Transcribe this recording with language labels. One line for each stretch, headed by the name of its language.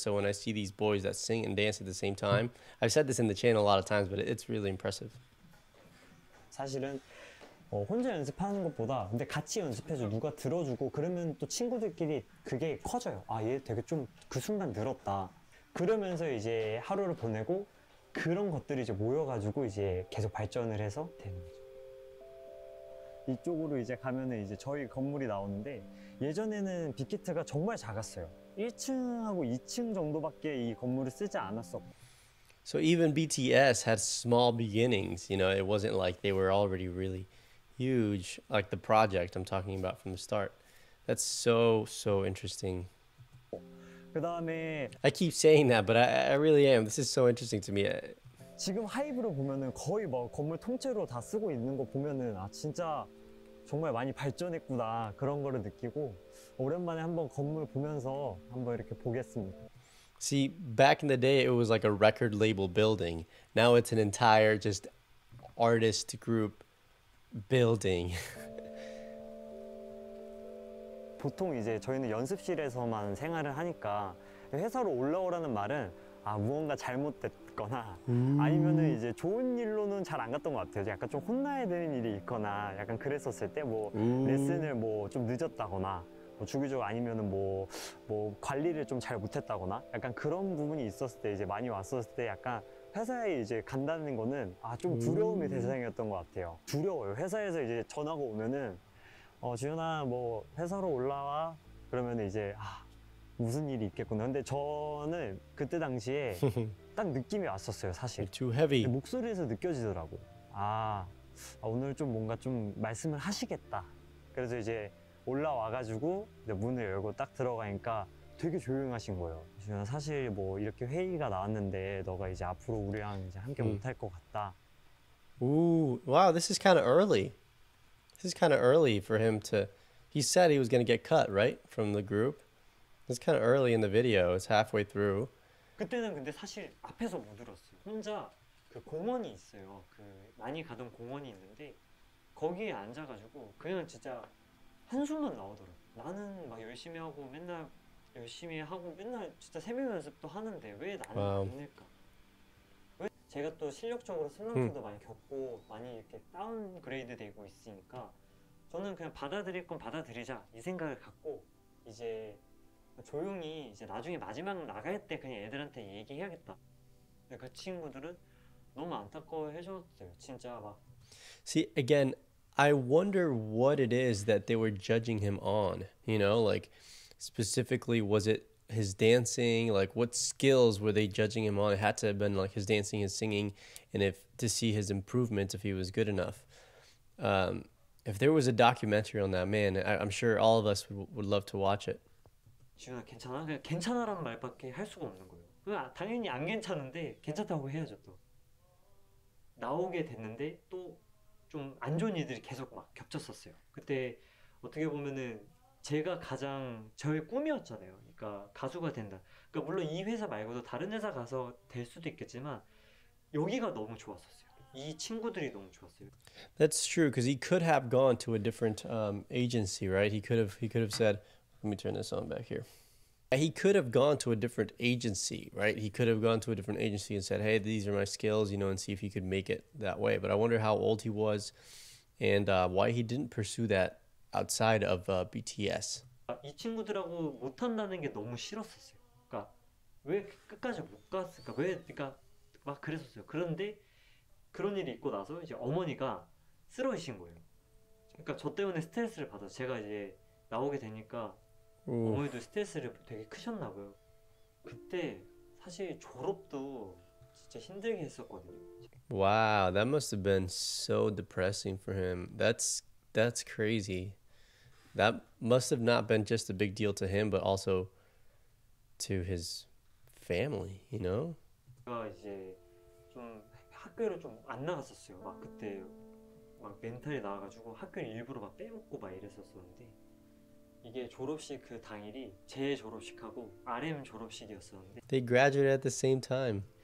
English: So when I see these boys that sing and dance at the same time, I've said this in the channel a lot of times, but it's really impressive.
Korean: 사실은 혼자 연습하는 것보다 근데 같이 연습해서 누가 들어주고 그러면 또 친구들끼리 그게 커져요. 아, 얘 되게 좀그 순간 늘었다. 그러면서 이제 하루를 보내고 그런 것들이 이제 모여가지고 이제 계속 발전을 해서 되는 거죠. 이쪽으로 이제 가면은 이제 저희 건물이 나오는데 예전에는 빅히트가 정말 작았어요. 1층하고 2층 정도밖에 이 건물을 쓰지 않았었고.
English: So even BTS had small beginnings, you know, it wasn't like they were already really huge, like the project I'm talking about from the start. That's so interesting.
Korean: 그다음에
English: I keep saying that, but I really am. This is so interesting to me.
Korean: 지금 하이브로 보면은 거의 막 건물 통째로 다 쓰고 있는 거 보면은 아 진짜 정말 많이 발전했구나 그런 거를 느끼고 오랜만에 한번 건물 보면서 한번 이렇게 보겠습니다.
English: See, back in the day, it was like a record label building. Now it's an entire just artist group building.
Korean: 보통 이제 저희는 연습실에서만 생활을 하니까 회사로 올라오라는 말은 아 무언가 잘못됐거나 아니면은 이제 좋은 일로는 잘안 갔던 것 같아요. 약간 좀 혼나야 되는 일이 있거나 약간 그랬었을 때뭐 레슨을 뭐좀 늦었다거나 뭐 주기적으로 아니면은 뭐 관리를 좀잘 못했다거나 약간 그런 부분이 있었을 때 이제 많이 왔었을 때 약간 회사에 이제 간다는 거는 아좀 두려움의 대상이었던 것 같아요. 두려워요. 회사에서 이제 전화가 오면은 지윤아 뭐 회사로 올라와 그러면 이제 아 무슨 일이 있겠구나. 근데 저는 그때 당시에 딱 느낌이 왔었어요,
English: You're
Korean: 사실.
English: too heavy.
Korean: 목소리에서 느껴지더라고. 아, 오늘 좀 뭔가 좀 말씀을 하시겠다. 그래서 이제 올라와가지고 이제 문을 열고 딱 들어가니까 되게 조용하신 거예요. 지윤아 사실 뭐 이렇게 회의가 나왔는데 너가 이제 앞으로 우리랑 이제 함께 못할 것 같다.
English: Ooh, wow, this is kind of early. This is kind of early for him to. He said he was going to get cut, right? From the group. It's kind of early in the video. It's halfway through.
Korean: 그때는 근데 사실 앞에서 못 울었어요. 혼자 그 공원이 있어요. 그 많이 가던 공원이 있는데 거기에 앉아가지고 그냥 진짜 한숨만 나오더라고. 나는 막 열심히 하고 맨날 열심히 하고 맨날 진짜 새벽 연습도 하는데 왜 나는
English: Wow.
Korean: 안 될까? 왜 제가 또 실력적으로 슬럼프도 많이 겪고 많이 이렇게 다운그레이드 되고 있으니까 저는 그냥 받아들일 건 받아들이자 이 생각을 갖고 이제 조용히 이제 나중에 마지막 나갈 때 그냥 애들한테 얘기해야겠다. 근데 그 친구들은 너무 안타까워 해줬어요. 진짜 막.
English: See, again, I wonder what it is that they were judging him on. You know, like specifically, was it his dancing? Like, what skills were they judging him on? It had to have been like his dancing, his singing, and if to see his improvements if he was good enough. If there was a documentary on that man, I'm sure all of us would love to watch it.
Korean: 지훈아 괜찮아? 그냥 괜찮아라는 말밖에 할 수가 없는 거예요. 그냥 당연히 안 괜찮은데 괜찮다고 해야죠 또. 나오게 됐는데 또좀안 좋은 일들이 계속 막 겹쳤었어요. 그때 어떻게 보면은 제가 가장 저의 꿈이었잖아요. 그러니까 가수가 된다. 그러니까 물론 이 회사 말고도 다른 회사 가서 될 수도 있겠지만 여기가 너무 좋았었어요. 이 친구들이 너무 좋았어요.
English: That's true, because he could have gone to a different agency, right? He could have said, let me turn this on back here. He could have gone to a different agency, right? He could have gone to a different agency and said, hey, these are my skills, you know, and see if he could make it that way. But I wonder how old he was and why he didn't pursue that outside of BTS.
Korean: 이 친구들하고 못한다는 게 너무 싫었었어요. 그러니까 왜 끝까지 못 갔을까? 왜? 그러니까 막 그랬었어요. 그런데 그런 일이 있고 나서 이제 어머니가 쓰러지신 거예요. 그러니까 저 때문에 스트레스를 받아서 제가 이제 나오게 되니까 어머니도 스트레스를 되게 크셨나 봐요. 그때 사실 졸업도 진짜 힘들게 했었거든요.
English: Wow, that must have been so depressing for him. That's crazy. That must have not been just a big deal to him, but also to his family, you know?
Korean: 제가 이제 좀 학교를 좀 안 나갔었어요. 막 그때 막 멘탈이 나와가지고 학교를 일부러 막 빼먹고 막 이랬었었는데 이게 졸업식 그 당일이 제 졸업식하고 RM 졸업식이었었는데
English: They graduated at the same time.